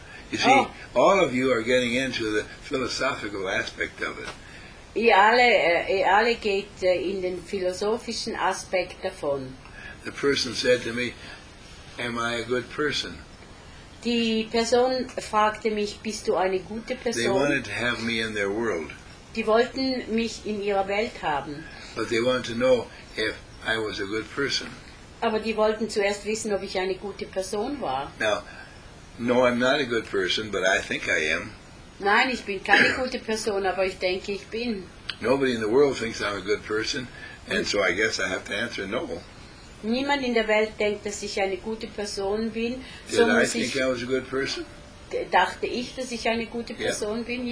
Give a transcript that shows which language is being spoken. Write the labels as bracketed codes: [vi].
[en] You see, all of you are getting into the philosophical aspect of it. [de] Ihr alle geht in den philosophischen Aspekt davon. [en] The person said to me, am I a good person? [de] Die Person fragte mich, bist du eine gute Person? [en] They wanted to have me in their world. [de] Die wollten mich in ihrer Welt haben. [en] But they wanted to know if I was a good person. [de] Aber die wollten zuerst wissen, ob ich eine gute Person war. [en] Now, no, I'm not a good person, but I think I am. [de] Nein, ich bin keine gute Person, aber ich denke, ich bin. [en] Nobody in the world thinks I'm a good person, and so I guess I have to answer no. [de] Niemand in der Welt denkt, dass ich eine gute Person bin. Dachte ich, dass ich eine gute Person bin?